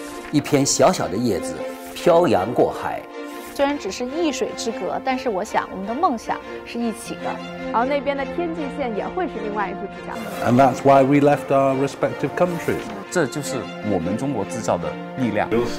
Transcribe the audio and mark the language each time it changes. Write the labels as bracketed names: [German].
[Chinese] 一片小小的叶子飘洋过海，虽然只是一水之隔，但是我想我们的梦想是一起的，而那边的天际线也会是另外一副视角。 [English] And that's why we left our respective countries. [Chinese] 这就是我们中国制造的力量。